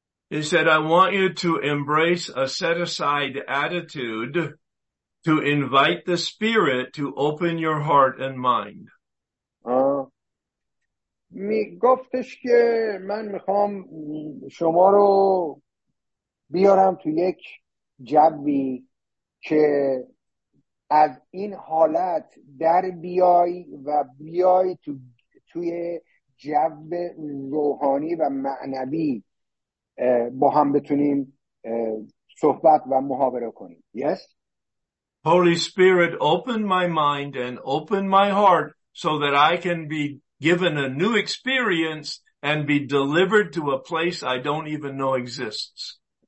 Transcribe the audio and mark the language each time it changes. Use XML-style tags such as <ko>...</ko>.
<en>He said, I want you to embrace a set-aside attitude to invite the spirit to open your heart and mind.</en> <fa>می گفتش که من میخوام شما رو بیارم تو یک جوی که از این حالت در بیای و بیای توی جو روحانی و معنوی با هم بتونیم صحبت و محاوره کنیم.</fa> <en>Yes? Holy Spirit, open my mind and open my heart so that I can be given a new experience and be delivered to a place I don't even know exists.</en>